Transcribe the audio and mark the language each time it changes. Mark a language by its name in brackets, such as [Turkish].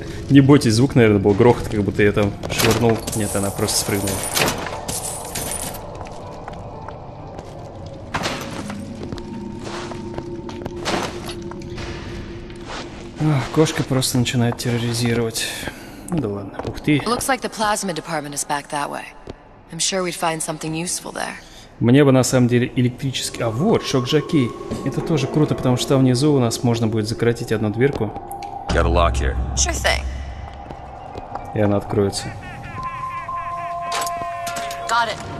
[Russian] Не бойтесь, звук, наверное, был грохот, как будто я там швырнул. Нет, она просто спрыгнула. Ох, кошка просто начинает терроризировать. Ну да ладно. Ух ты. [English] Looks like the plasma department is back that way. I'm sure we'd find something useful there. [Russian] Мне бы на самом деле электрический. А вот шок жаки. Это тоже круто, потому что там внизу у нас можно будет закоротить одну дверку. [English] Got a lock here. Sure thing. [Russian] И она откроется. [English] Got it.